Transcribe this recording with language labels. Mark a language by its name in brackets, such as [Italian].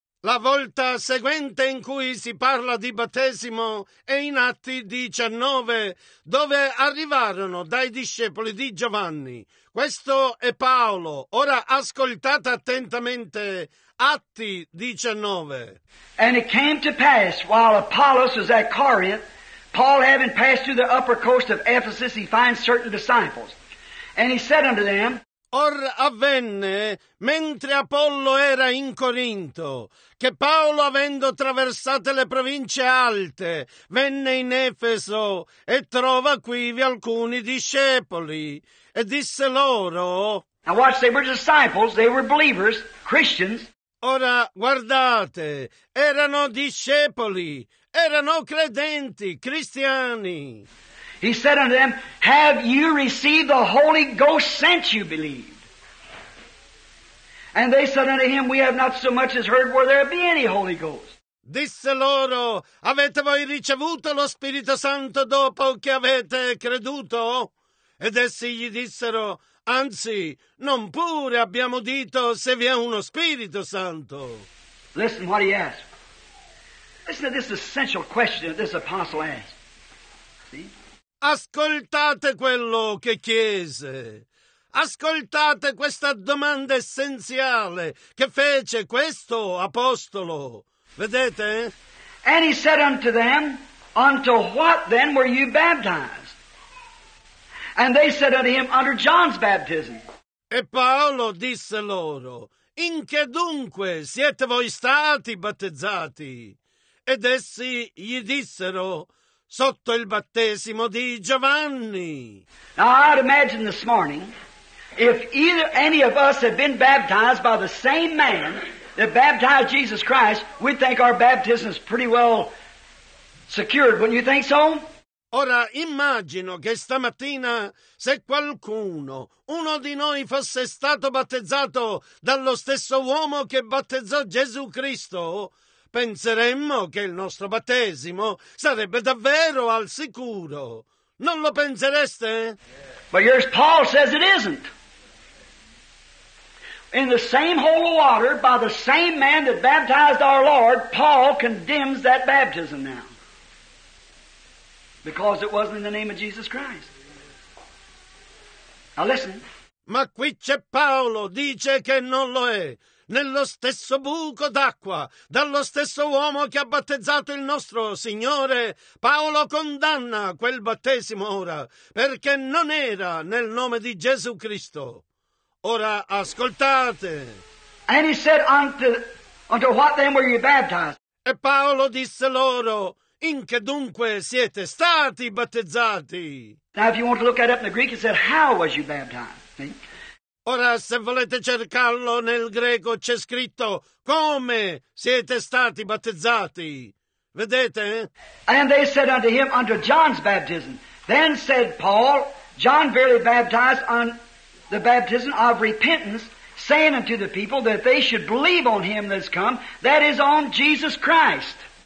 [Italian] La volta seguente in cui si parla di battesimo è in Atti 19, dove arrivarono dai discepoli di Giovanni. Questo è Paolo. Ora ascoltate attentamente Atti 19. [English] And it came to pass, while Apollos was at Corinth, Paul having passed through the upper coast of Ephesus, he finds certain disciples. And he said unto them, [Italian] Or avvenne, mentre Apollo era in Corinto, che Paolo, avendo traversate le province alte, venne in Efeso e trova quivi alcuni discepoli, e disse loro... [English] Now watch, they were disciples, they were believers, Christians. [Italian] Ora guardate, erano discepoli, erano credenti, cristiani. [English] He said unto them, Have you received the Holy Ghost since you believed? And they said unto him, We have not so much as heard where there be any Holy Ghost. [Italian] Disse loro, Avete voi ricevuto lo Spirito Santo dopo che avete creduto? Ed essi gli dissero, Anzi, non pure abbiamo udito se vi è uno Spirito Santo. [English] Listen what he asked. Listen to this essential question that this apostle asked. See? [Italian] Ascoltate quello che chiese. Ascoltate questa domanda essenziale che fece questo apostolo. Vedete? [English] And he said unto them, Unto what then were you baptized? And they said unto him, Under John's baptism. [Italian] E Paolo disse loro, In che dunque siete voi stati battezzati? Ed essi gli dissero, Sotto il battesimo di Giovanni. [English] Now I'd imagine this morning, if either any of us had been baptized by the same man that baptized Jesus Christ, we'd think our baptism is pretty well secured, wouldn't you think so? [Italian] Ora immagino che stamattina, se qualcuno, uno di noi, fosse stato battezzato dallo stesso uomo che battezzò Gesù Cristo, penseremmo che il nostro battesimo sarebbe davvero al sicuro. Non lo pensereste? [English] But here's Paul says it isn't. In the same hole of water, by the same man that baptized our Lord, Paul condemns that baptism now. Because it wasn't in the name of Jesus Christ. Now listen. [Italian] Ma qui c'è Paolo, dice che non lo è. nello stesso buco d'acqua, dallo stesso uomo che ha battezzato il nostro Signore, Paolo condanna quel battesimo ora, perché non era nel nome di Gesù Cristo. Ora ascoltate. [English] And he said unto what then were you baptized? [Italian] E Paolo disse loro, in che dunque siete stati battezzati? [English] Now if you want to look that up in the Greek, it said, how was you baptized? See? [Italian] Ora, se volete cercarlo nel greco, c'è scritto come siete stati battezzati. Vedete? [English] And they said unto him, unto John's baptism. Then said Paul, John verily baptized on the baptism of repentance, saying unto the people that they should believe on him that's come, that is on Jesus Christ.